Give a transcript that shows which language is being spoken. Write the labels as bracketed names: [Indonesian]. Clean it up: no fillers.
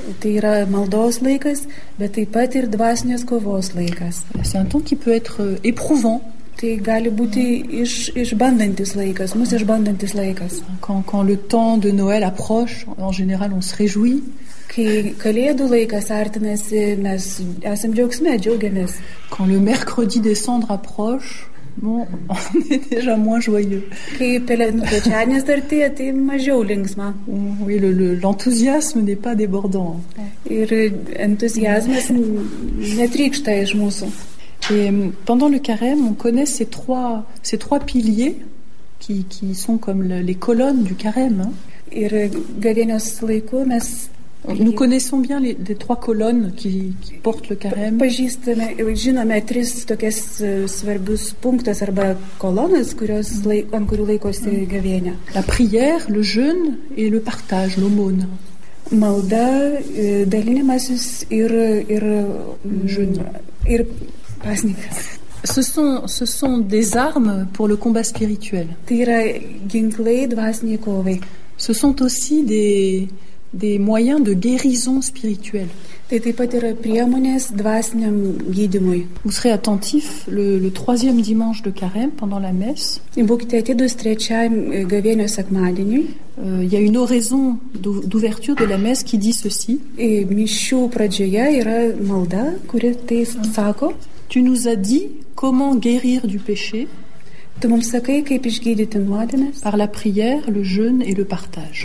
[Lithuanian] Tai yra maldos laikas, bet taip pat ir dvasinės kovos laikas. [French] C'est un temps qui peut être éprouvant. [Lithuanian] Tai gali būti išbandantis laikas, mus išbandantis laikas. [French] Quand le temps de Noël approche, en général on se réjouit. [Lithuanian] Kai kalėdų laikas artinasi, mes esam džiaugsme, džiaugiamės. [French] Quand le mercredi décembre approche, on est déjà moins joyeux. [Lithuanian] Kai pelenų trečiadienis artėja, tai mažiau linksma. [French] Oui, l'enthousiasme n'est pas débordant. [Lithuanian] Ir entuziazmas netrykšta iš mūsų. [French] Et pendant le carême, on connaît ces trois piliers qui sont comme les colonnes du carême. [Lithuanian] Ir gavėnios laiku mes [French] Nous connaissons bien les trois colonnes qui portent le carême. [Lithuanian] Pažįstame, žinome tris tokias svarbus punktus arba kolonas, ant kurių laikosi gavėnia. [French] La prière, le jeûne et le partage, l'aumône. [Lithuanian] Malda, dalinimasis ir [French] jeûne. [Lithuanian] Ir pasninkas. [French] Ce sont des armes pour le combat spirituel. [Lithuanian] Tai yra ginklai dvasinei kovai. [French] Ce sont aussi des moyens de guérison spirituelle. [Lithuanian] Tai taip pat yra priemonės dvasiniam gydymui. [French] Vous serez attentif le troisième dimanche de carême pendant la messe. [Lithuanian] Ir būkite atidus trečiam gavėnios sekmadieniui. [French] Il y a une oraison d'ouverture de la messe qui dit ceci. Et [Lithuanian] mišių pradžioje yra malda, kuri tai sako. [French] Tu nous as dit comment guérir du péché. [Lithuanian] Tu mums sakai, kaip išgydyti nuodėmes. [French] Par la prière, le jeûne et le partage.